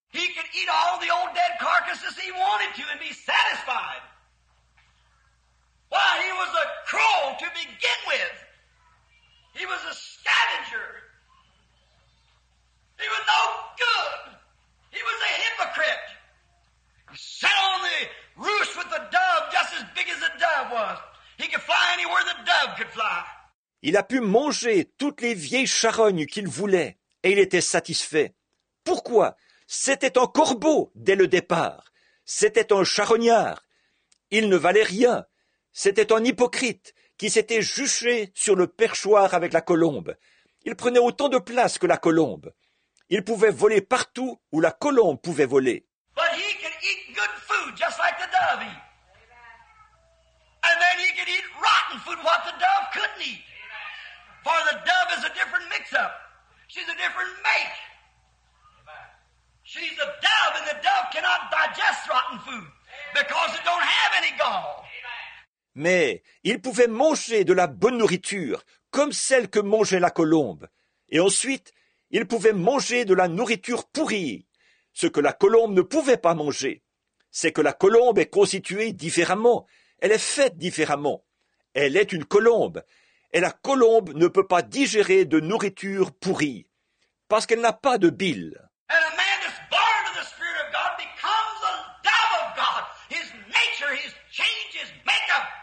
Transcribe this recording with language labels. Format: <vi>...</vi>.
<en>He could eat all the old dead carcasses he wanted to and be satisfied. Why, he was a crow to begin with. He was a scavenger. He was no good. He was a hypocrite. He sat on the roost with the dove, just as big as the dove was. He could fly anywhere the dove could fly.</en> <fr>Il a pu manger toutes les vieilles charognes qu'il voulait, et il était satisfait. Pourquoi? C'était un corbeau dès le départ. C'était un charognard. Il ne valait rien. C'était un hypocrite qui s'était juché sur le perchoir avec la colombe. Il prenait autant de place que la colombe. Il pouvait voler partout où la colombe pouvait voler.</fr> <en>But he could eat good food just like the dove eat. And then he could eat rotten food what the dove couldn't eat. For the dove is a different mix-up. She's a different mate. She's a dove and the dove cannot digest rotten food because it don't have any gall.</en> <fr>Mais il pouvait manger de la bonne nourriture comme celle que mangeait la colombe. Et ensuite, il pouvait manger de la nourriture pourrie, ce que la colombe ne pouvait pas manger. C'est que la colombe est constituée différemment, elle est faite différemment. Elle est une colombe, et la colombe ne peut pas digérer de nourriture pourrie, parce qu'elle n'a pas de bile.</fr> <en>And a man that's born of the Spirit of God becomes a dove of God. His nature, his change, his makeup.</en>